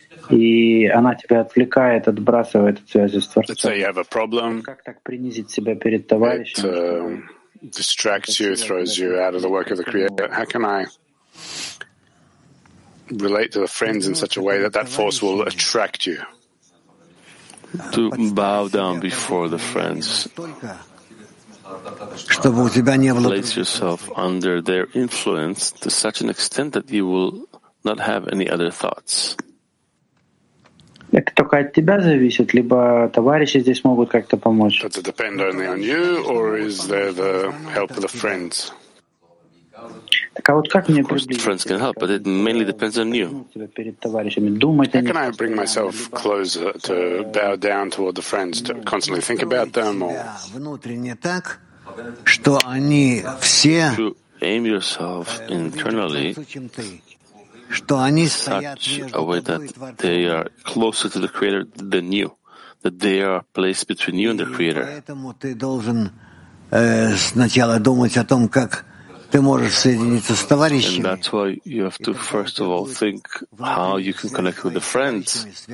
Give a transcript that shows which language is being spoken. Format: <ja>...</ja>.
<ru>И она тебя отвлекает, отбрасывает от связи с Творцом.</ru> <en>Let's say you have a problem.</en> <ru>Как так принизить себя перед товарищем?</ru> <en>It distracts you, throws you out of the work of the Creator. How can I relate to the friends in such a way that that force will attract you? To bow down before the friends.</en> <ru>Чтобы у тебя не было...</ru> <en>Place yourself under their influence to such an extent that you will not have any other thoughts.</en> <ru>Это только от тебя зависит, либо товарищи здесь могут как-то помочь.</ru> <en>Does it depend only on you, or is there the help of the friends?</en> <ru>Так, а вот как мне приблизиться?</ru> <en>The friends can help, but it mainly depends on you. How can I bring myself closer to bow down toward the friends, to constantly think about them? Or...</en> <ru>Внутренне так, что они все...</ru> <en>To aim yourself internally...</en> <ru>Что они</ru> <en>such a way that they are closer to the Creator than you, that they are placed between you and the Creator.</en> <ru>Поэтому ты должен сначала думать о том, как ты можешь соединиться с товарищами.</ru> <en>And that's why you have to first of all think how you can connect with the friends.</en>